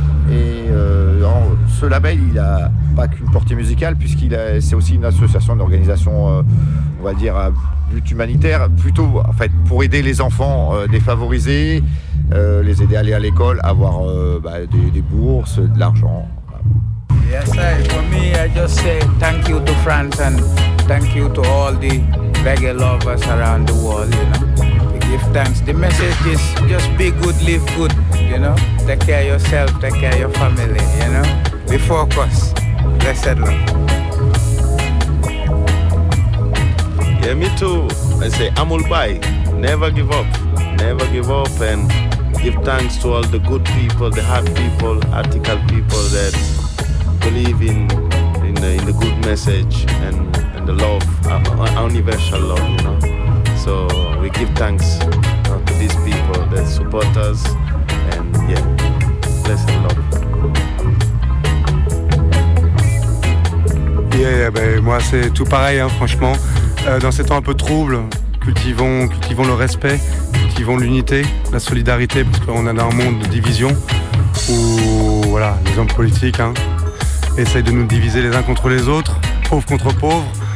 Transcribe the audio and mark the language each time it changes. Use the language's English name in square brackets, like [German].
[French] Et ce label, il n'a pas qu'une portée musicale, puisqu'il a, c'est aussi une association, une organisation, on va dire, à but humanitaire, plutôt en fait, pour aider les enfants défavorisés, les aider à aller à l'école, avoir des bourses, de l'argent. [English] Yes, I, for me, I just say thank you to France and thank you to all the reggae lovers around the world, you know. We give thanks. The message is just be good, live good, you know. Take care of yourself, take care of your family, you know. Be focused. Blessed love. Yeah, me too. I say Amoul, Bayi. Never give up. Never give up and give thanks to all the good people, the hard people, ethical people that believe in the good message and the love, universal love, you know. So we give thanks to these people that support us, and yeah, bless and love. [French] Yeah, ben moi c'est tout pareil, hein, franchement. Dans ces temps un peu troubles, cultivons le respect, cultivons l'unité, la solidarité, parce qu'on est dans un monde de division où voilà, les hommes politiques, hein, essaye de nous diviser les uns contre les autres, pauvres contre pauvres.